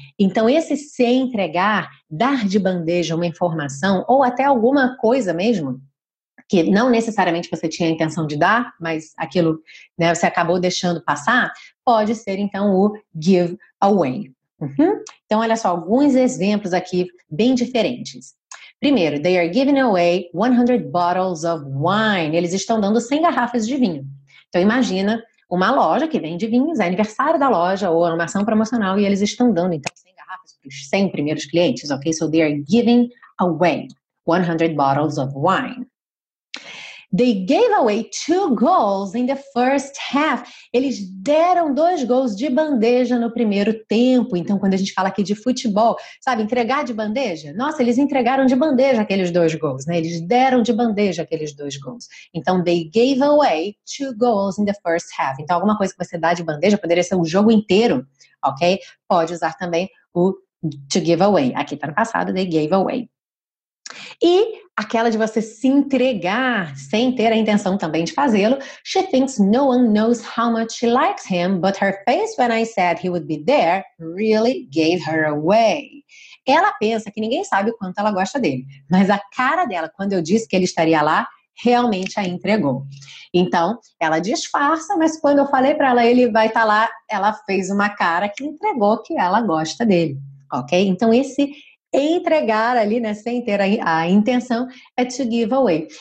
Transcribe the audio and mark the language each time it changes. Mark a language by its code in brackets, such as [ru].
[pt] Então, esse se entregar, dar de bandeja uma informação ou até alguma coisa mesmo, que não necessariamente você tinha a intenção de dar, mas aquilo, né, você acabou deixando passar, pode ser, então, o give away. Uhum. Então, olha só, alguns exemplos aqui bem diferentes. Primeiro, [en] they are giving away 100 bottles of wine. [pt] Eles estão dando 100 garrafas de vinho. Então, imagina uma loja que vende vinhos, é aniversário da loja ou uma ação promocional, e eles estão dando, então, 100 garrafas para os 100 primeiros clientes, ok? [en] So, they are giving away 100 bottles of wine. They gave away 2 goals in the first half. [pt] Eles deram 2 gols de bandeja no primeiro tempo. Então, quando a gente fala aqui de futebol, sabe, entregar de bandeja? Nossa, eles entregaram de bandeja aqueles 2 gols, né? Eles deram de bandeja aqueles 2 gols. Então, [en] they gave away 2 goals in the first half. [pt] Então, alguma coisa que você dá de bandeja poderia ser um jogo inteiro, ok? Pode usar também o [en] to give away. [pt] Aqui tá no passado, [en] they gave away. [pt] E aquela de você se entregar sem ter a intenção também de fazê-lo. [en] She thinks no one knows how much she likes him, but her face when I said he would be there really gave her away. [pt] Ela pensa que ninguém sabe o quanto ela gosta dele, mas a cara dela, quando eu disse que ele estaria lá, realmente a entregou. Então, ela disfarça, mas quando eu falei para ela, ele vai estar lá, ela fez uma cara que entregou que ela gosta dele, ok? Então, esse entregar ali, né, sem ter a intenção, é [en] to give away.